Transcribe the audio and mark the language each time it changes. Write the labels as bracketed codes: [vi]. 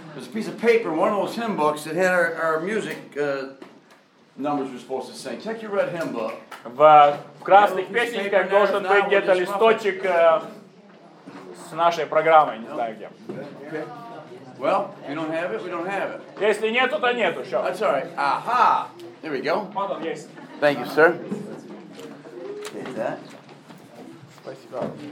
[en] There's a piece of paper, one of those hymn books that had our music. Numbers we're supposed to sing. Check your red hymn book. [ru] В красных песенках должен быть где-то листочек с нашей программой, не знаю где. [en] Well, if you don't have it, we don't have it. [ru] Если нету, то нету, все. [en] That's all right. Aha! There we go. Pardon, yes. Thank you, sir. Get that. [ru] Спасибо.